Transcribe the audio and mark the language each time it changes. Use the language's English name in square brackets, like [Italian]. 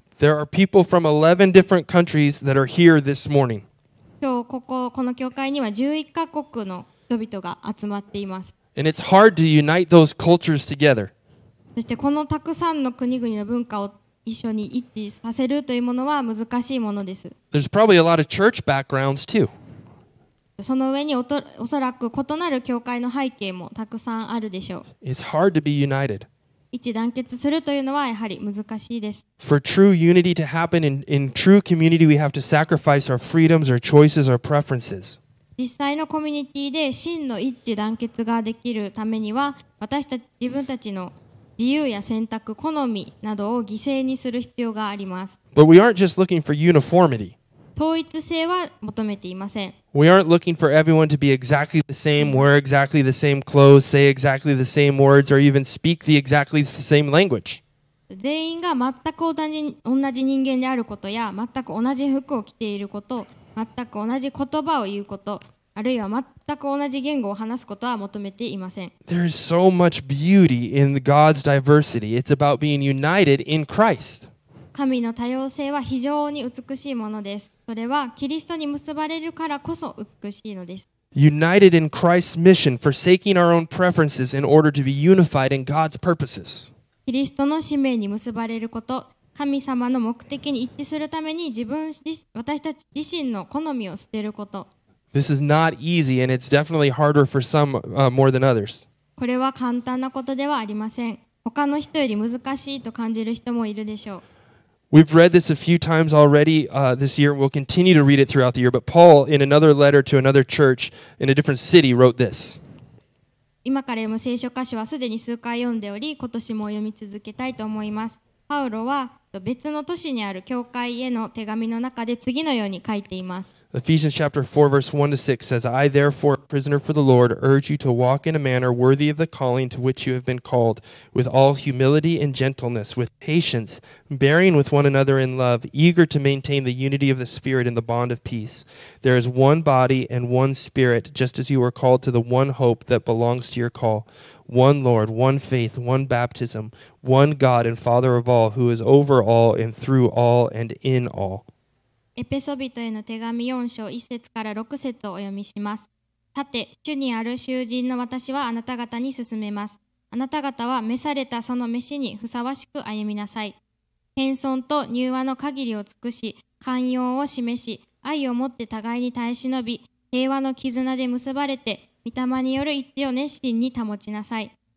[English] There are people from 11 different countries that are here this morning. [Japanese] 今日この教会には11カ国の人々が集まっています。 [English] And it's hard to unite those cultures together. [Japanese] そしてこのたくさんの国々の文化を一緒に一致させるというものは難しいものです。 [English] There's probably a lot of church backgrounds too. [Japanese] その上に おそらく異なる教会の背景もたくさんあるでしょう。 [English] It's hard to be united. [Japanese] 一致団結するというのはやはり難しいです。 [English] For true unity to happen in true community, we have to sacrifice our freedoms, our choices, our preferences. [Japanese] 実際のコミュニティで真の一致団結ができるためには、自分たちの自由や選択、好みなどを犠牲にする必要があります。 [English] But we aren't just looking for uniformity. [Japanese] 統一性は求めていません。 [English] We aren't looking for everyone to be exactly the same, wear exactly the same clothes, say exactly the same words, or even speak the exactly the same language. [Japanese] 全員が全く同じ人間であることや、全く同じ服を着ていること、全く同じ言葉を言うこと、あるいは全く同じ言語を話すことは求めていません。 [English] There is so much beauty in God's diversity. It's about being united in Christ. [Japanese] 神の多様性は非常に美しいものです。それはキリストに結ばれるからこそ美しいのです。 [English] United in Christ's mission, forsaking our own preferences in order to be unified in God's purposes. [Japanese] キリストの使命に結ばれること、神様の目的に一致するために私たち自身の好みを捨てること。 [English] This is not easy, and it's definitely harder for some, more than others. [Japanese] これは簡単なことではありません。他の人より難しいと感じる人もいるでしょう。 [English] We've read this a few times already, this year. We'll continue to read it throughout the year. But Paul, in another letter to another church in a different city, wrote this. [Japanese] 今から読む聖書箇所はすでに数回読んでおり、今年も読み続けたいと思います。パウロは別の都市にある教会への手紙の中で次のように書いています。 [English] Ephesians chapter 4 verse 1 to 6 says, I therefore, prisoner for the Lord, urge you to walk in a manner worthy of the calling to which you have been called, with all humility and gentleness, with patience, bearing with one another in love, eager to maintain the unity of the Spirit in the bond of peace. There is one body and one Spirit, just as you were called to the one hope that belongs to your call. One Lord, one faith, one baptism, one God and Father of all, who is over all and through all and in all. [Japanese] エペソ人への手紙4章1節から6節をお読みします。さて、主にある囚人の私はあなた方に勧めます。あなた方は召されたその召しにふさわしく歩みなさい。謙遜と柔和の限りを尽くし、寛容を示し、愛をもって互いに耐え忍び、平和の絆で結ばれて、御霊による一致を熱心に保ちなさい。